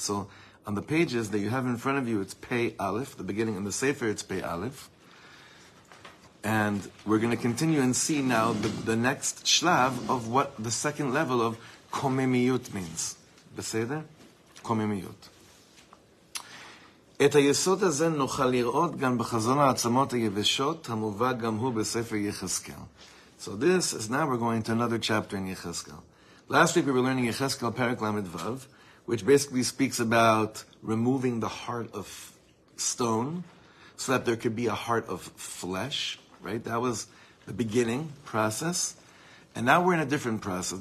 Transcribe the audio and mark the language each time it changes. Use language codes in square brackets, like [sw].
[en] So on the pages that you have in front of you, it's Pei Aleph, the beginning in the Sefer, it's Pei Aleph. And we're going to continue and see now the next shlav of what the second level of komemiyut means. Beseder? Komemiyut. [he] את היסוד הזה נוכל לראות גם בחזון העצמות היבשות המובא גם הוא בספר יחזקאל. [en] So this is now we're going to another chapter in Yechezkel. Last week we were learning Yechezkel Perek Lamed Vav, which basically speaks about removing the heart of stone so that there could be a heart of flesh, right? That was the beginning process. And now we're in a different process.